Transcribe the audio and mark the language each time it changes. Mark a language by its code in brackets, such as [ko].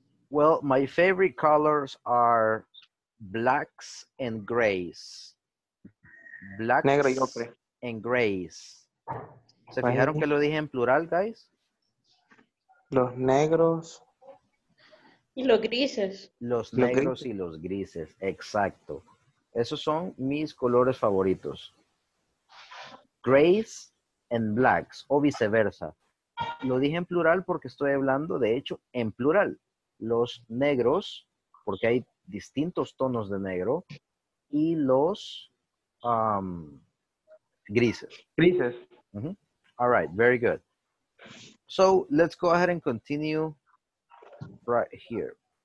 [en] Well, my favorite colors are blacks and grays. Blacks [es] negro y ocre. [en] And grays. [es] ¿Se fijaron que lo dije en plural, guys? Los negros. Y los grises. Los negros y los grises, exacto. Esos son mis colores favoritos. [en] Grays and blacks, [es] o viceversa. Lo dije en plural porque estoy hablando, de hecho, en plural. Los negros, porque hay distintos tonos de negro, y los grises. Grises. [en] Mm-hmm. All right, very good. So, let's go ahead and continue right here.